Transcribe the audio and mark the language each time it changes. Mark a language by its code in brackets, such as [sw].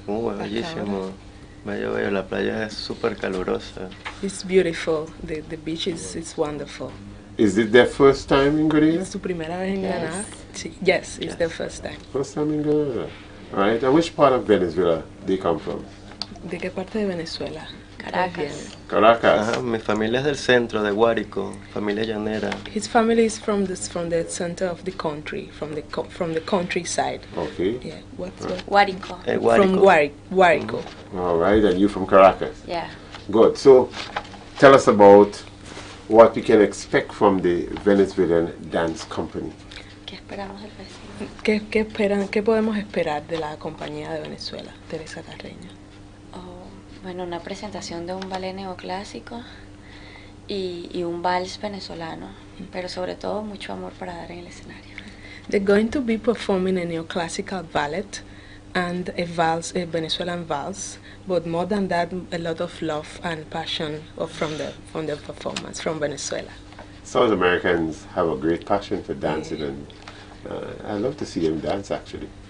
[es] Muy bellísimo. Vaya, vaya, la playa es super calurosa. [en] It's beautiful. The beach is it's wonderful. Is it their first time in Grenada? [es] Es su primera vez en Granada. [en] Yes, it's their first time. First time in Granada. Right. And which part of Venezuela they come from? [es] ¿De qué parte de Venezuela? Caracas. [en] Caracas. [es] Mi familia es del centro de Guárico, familia llanera. [en] His family is from the center of the country, from the countryside. Okay. Yeah. [es] Guárico. [en] From Guárico. Mm-hmm. All right, and you from Caracas. Yeah. Good. So, tell us about what we can expect from the Venezuelan dance company. [es] ¿Qué podemos esperar de la compañía de Venezuela, Teresa Carreño? Bueno, una presentación de un ballet neoclásico y un vals venezolano, pero sobre todo mucho amor para dar en el escenario. [en] They're going to be performing a neoclassical ballet and a vals, a Venezuelan vals, but more than that, a lot of love and passion from the performers from Venezuela. South Americans have a great passion for dancing, and I love to see them dance, actually.